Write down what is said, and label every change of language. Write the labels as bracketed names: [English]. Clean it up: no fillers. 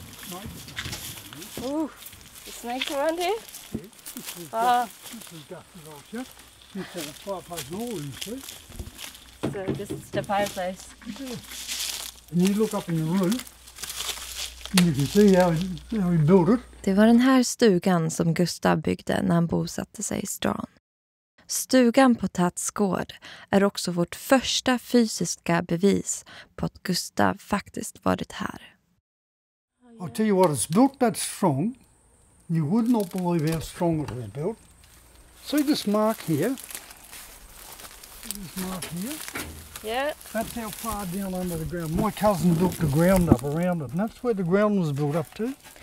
[English] Ooh, the snakes around here? Yeah, this is Gus's old shack. This has a fireplace and all in the street. So this is the fireplace. Yeah. And you look up in the roof, and you can see how he built it. [Swedish] Det var den här stugan som Gustav byggde när han bosatte sig i Strawn. Stugan på Tats gård är också vårt första fysiska bevis på att Gustav faktiskt varit här. [English] I'll tell you what, it's built that strong, You would not believe how strong it was built. See this mark here? Yeah. That's how far down under the ground. My cousin built the ground up around it, and that's where the ground was built up to.